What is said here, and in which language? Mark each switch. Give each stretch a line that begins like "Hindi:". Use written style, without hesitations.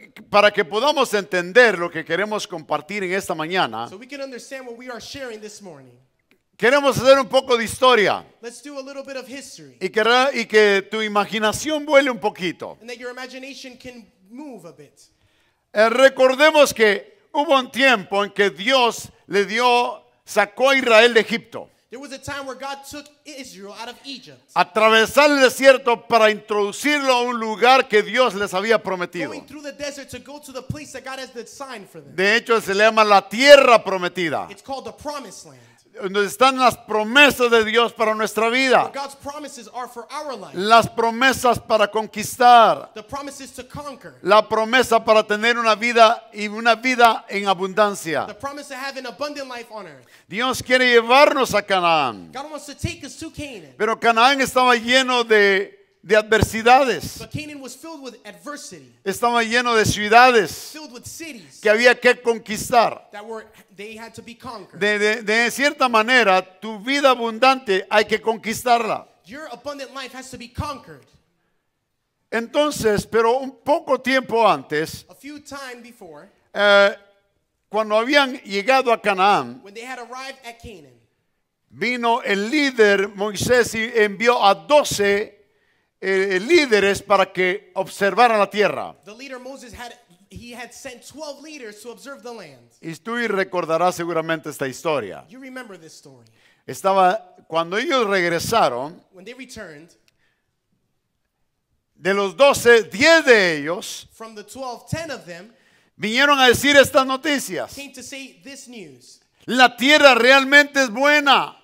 Spanish: Para que podamos entender lo que queremos compartir en esta mañana.
English: So we can understand what we are sharing this morning.
Spanish: Queremos hacer un poco de historia.
English: Let's do a little bit of history.
Spanish: Y que tu imaginación vuele un poquito.
English: And that your imagination can move a bit.
Spanish: Recordemos que hubo un tiempo en que Dios sacó a Israel de Egipto.
English: There was a time where God took Israel out of Egypt.
Spanish: Atravesar el desierto para introducirlo a un lugar que Dios les había prometido.
English: Going through the desert to go to the place that God has designed for them.
Spanish: De hecho, se le llama la tierra prometida.
English: It's called the promised land.
Spanish: Donde están las promesas de Dios para nuestra vida.
English: God's promises are for our life.
Spanish: Las promesas para conquistar.
English: The promises to conquer.
Spanish: La promesa para tener una vida y una vida en abundancia.
English: The promise to have an abundant life on earth.
Spanish: Dios quiere llevarnos a Canaán.
English: God wants to take us to Canaan.
Spanish: Pero Canaán estaba lleno de adversidades.
English: But Canaan was filled with adversity.
Spanish: Estaba lleno de ciudades.
English: Filled with cities.
Spanish: Que había que conquistar.
English: That were, they had to be conquered.
Spanish: De cierta manera, tu vida abundante hay que conquistarla.
English: Your abundant life has to be conquered.
Spanish: Entonces, pero un poco tiempo antes,
English: a few time before,
Spanish: cuando habían llegado a Canaán,
English: when they had arrived at Canaan,
Spanish: vino el líder Moisés y envió a 12 líderes para que observaran la tierra.
English: The leader Moses had sent 12 leaders to observe the land.
Spanish: Y tú recordarás seguramente esta historia.
English: You remember this story.
Spanish: Estaba cuando ellos regresaron.
English: When they returned.
Spanish: De los 12, 10 de ellos.
English: From the 12, 10 of them.
Spanish: Vinieron a decir estas noticias.
English: Came to say this news.
Spanish: La tierra realmente es buena.